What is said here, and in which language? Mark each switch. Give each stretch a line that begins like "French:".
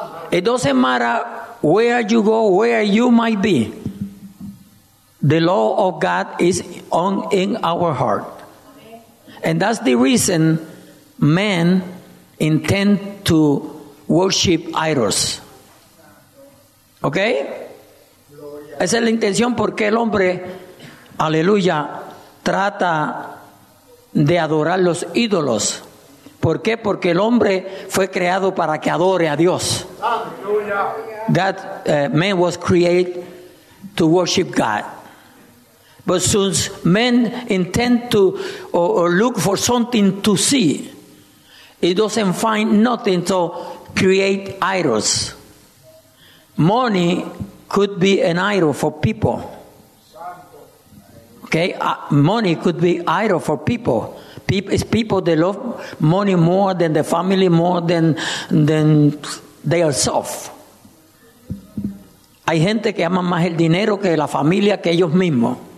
English: It doesn't matter where you go, where you might be. The law of God is on in our heart. And that's the reason men intend to worship idols. Okay?
Spanish: Esa es la intención porque el hombre, aleluya, trata de adorar los ídolos. ¿Por qué? Porque el hombre fue creado para que adore a Dios.
English: God, man was created to worship God. But since men intend to or look for something to see, it doesn't find nothing, so create idols. Money could be an idol for people. Okay? Money could be idol for people. It's people that love money more than the family, more than themselves.
Spanish: Hay gente que ama más el dinero que la familia, que ellos mismos.